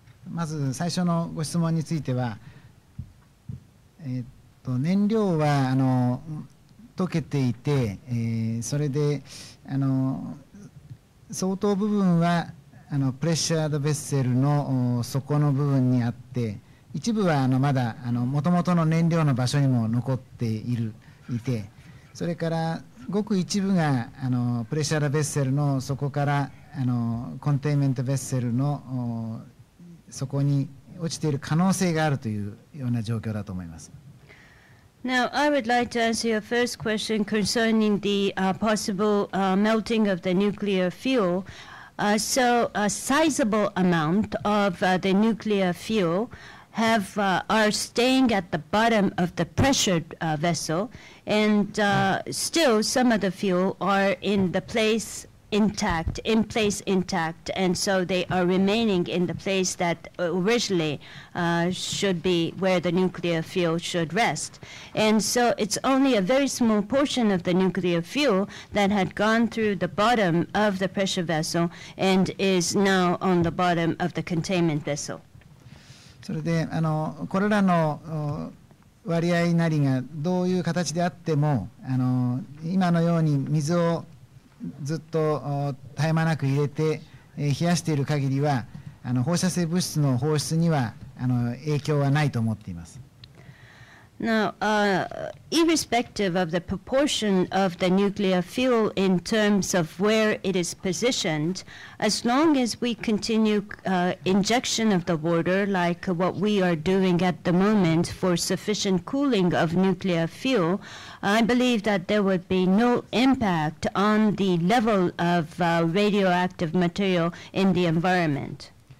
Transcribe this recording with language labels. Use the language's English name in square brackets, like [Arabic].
[Japanese] まず最初のご質問については、燃料は溶けていて、それで相当部分はプレッシャードベッセルの底の部分にあって、一部はまだもともとの燃料の場所にも残っているいて、それからごく一部がプレッシャードベッセルの底からコンテインメントベッセルの底に落ちている可能性があるというような状況だと思います。 [English] Now, I would like to answer your first question concerning the possible melting of the nuclear fuel. So a sizable amount of the nuclear fuel are staying at the bottom of the pressured vessel, and still some of the fuel are in the place intact, in place intact, and so they are remaining in the place that originally should be where the nuclear fuel should rest. And so it's only a very small portion of the nuclear fuel that had gone through the bottom of the pressure vessel and is now on the bottom of the containment vessel. [Japanese] それで、これらの割合なりがどういう形であっても、今のように水をずっと絶え間なく入れて冷やしている限りは放射性物質の放出には影響はないと思っています。 [English] Now, irrespective of the proportion of the nuclear fuel in terms of where it is positioned, as long as we continue injection of the water like what we are doing at the moment for sufficient cooling of nuclear fuel, I believe that there would be no impact on the level of radioactive material in the environment.